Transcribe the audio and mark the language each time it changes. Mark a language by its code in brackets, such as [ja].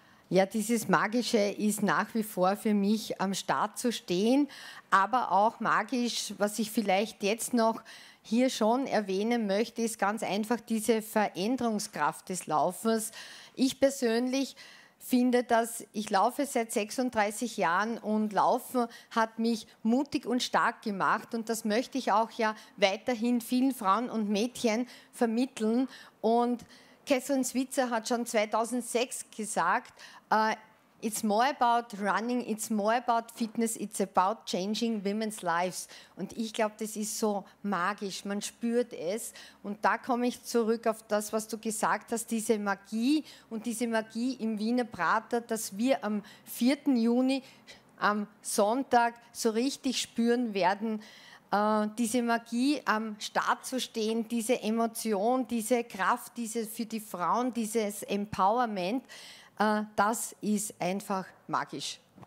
[de] Ja, dieses Magische ist nach wie vor für mich am Start zu stehen, aber auch magisch, was ich vielleicht jetzt noch hier schon erwähnen möchte, ist ganz einfach diese Veränderungskraft des Laufens. Ich persönlich finde, dass ich laufe seit 36 Jahren und Laufen hat mich mutig und stark gemacht und das möchte ich auch ja weiterhin vielen Frauen und Mädchen vermitteln. Und Catherine Switzer hat schon 2006 gesagt, [en] it's more about running, it's more about fitness, it's about changing women's lives. [de] Und ich glaube, das ist so magisch, man spürt es. Und da komme ich zurück auf das, was du gesagt hast, diese Magie und diese Magie im Wiener Prater, dass wir am 4. Juni, am Sonntag so richtig spüren werden, diese Magie am Start zu stehen, diese Emotion, diese Kraft, diese für die Frauen, dieses Empowerment, das ist einfach magisch.